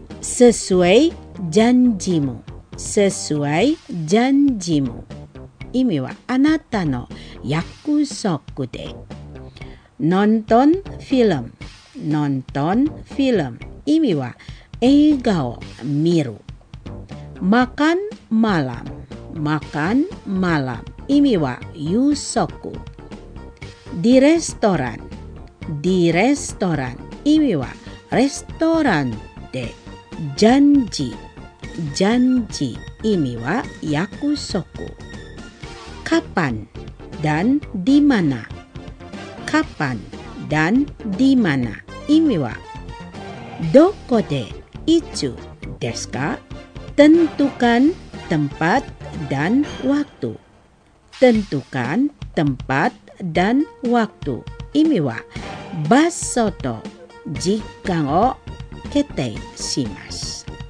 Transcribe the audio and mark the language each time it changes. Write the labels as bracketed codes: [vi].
[id] Sesuai janjimu, sesuai janjimu, [ja] 意味はあなたの約束で。 [id] Nonton film, nonton film, [ja] 意味は映画を見る。 [id] Makan malam, makan malam, [ja] 意味は夕食。 [id] Di restoran,di restoran, [ja] 意味はレストランで。ジャンジ、ジャンジ、意味は約束。 [id] Kapan dan di mana, kapan dan di mana, [ja] 意味はどこで、いつですか。 [id] Tentukan tempat dan waktu, tentukan tempat dan waktu, [ja] 意味はバスと時間を決定します。